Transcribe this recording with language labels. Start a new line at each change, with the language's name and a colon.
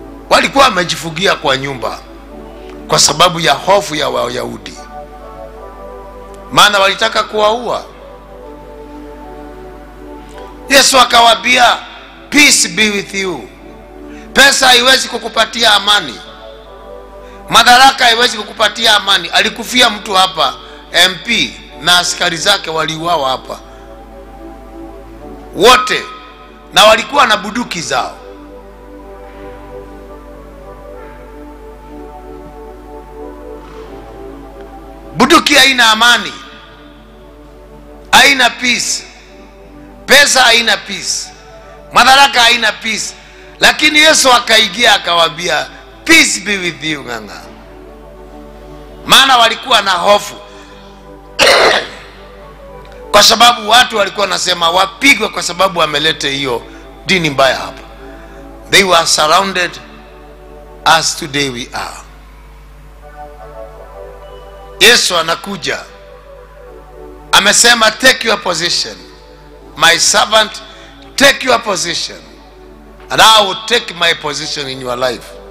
Swahili: Walikuwa wamejifugia kwa nyumba kwa sababu ya hofu ya Wayahudi, maana walitaka kuwaua. Yesu akawaambia,
English: peace be with you.
Swahili: Pesa haiwezi kukupatia amani, madaraka haiwezi kukupatia amani. Alikufia mtu hapa, MP na askari zake waliuawa hapa wote, na walikuwa na buduki zao. Ukisikia haina amani, haina peace. Pesa haina peace, madaraka haina peace. Lakini Yesu akaingia akawaambia,
English: peace be with you
Swahili: nganga. Maana walikuwa na hofu kwa sababu watu walikuwa nasema wapigwe kwa sababu wamelete hiyo dini mbaya hapa.
English: They were surrounded as today we are.
Swahili: Yesu anakuja amesema,
English: take your position, my servant, take your position and I will take my position in your life.